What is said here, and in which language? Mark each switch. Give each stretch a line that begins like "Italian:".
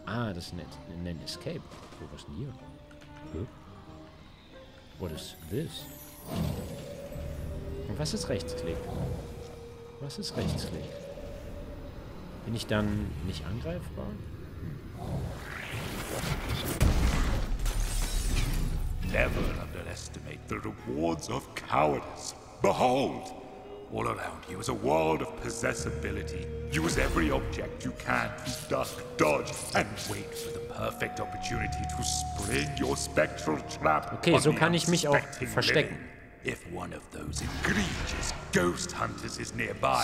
German: Ah, das ist ein Escape. Wo war's denn hier?
English: What is this?
German: Und was ist Rechtsklick? Was ist Rechtsklick? Bin ich dann nicht angreifbar?
English: Never underestimate the rewards of cowardice. Behold! All around you is a world of possessibility. Use every object you can to duck, dodge, and wait for the perfect opportunity to spring your spectral trap.
German: Okay, so kann ich mich auch verstecken.
English: If one of those egregious ghost hunters is nearby,